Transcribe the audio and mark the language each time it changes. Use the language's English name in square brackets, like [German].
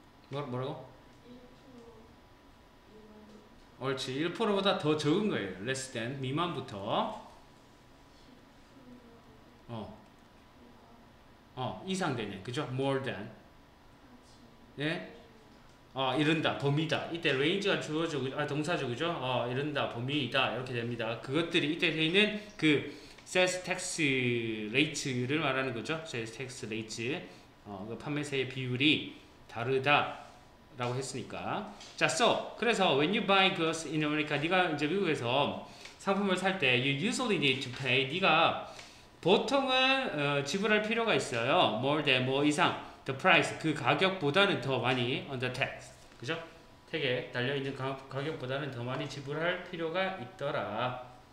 [Korean] 뭐라고? 옳지, 1%보다 더 적은 거예요. [English] Less than [Korean] 미만부터. 이상 되는, 그죠? [English] More than. [Korean] 예? 어, 이른다, 범위다. 이때 range가 주어죠, 아, 동사죠, 그죠? 어, 이른다, 범위이다. 이렇게 됩니다. 그것들이 이때 되어 있는 그 sales tax rate를 말하는 거죠. [English] sales tax rate. [Korean] 어, 그 판매세의 비율이 다르다. 라고 했으니까. 자, so. [English] 그래서 when you buy goods in America, [Korean] 니가 이제 미국에서 상품을 살 때, [English] you usually need to pay. [Korean] 니가 보통은 어, 지불할 필요가 있어요. [English] more than, [Korean] 뭐 이상. [English] The price, [Korean] 그 가격보다는 더 많이 [English] on the tax, [Korean] 그죠? 택에 달려있는 가격보다는 더 많이 지불할 필요가 있더라.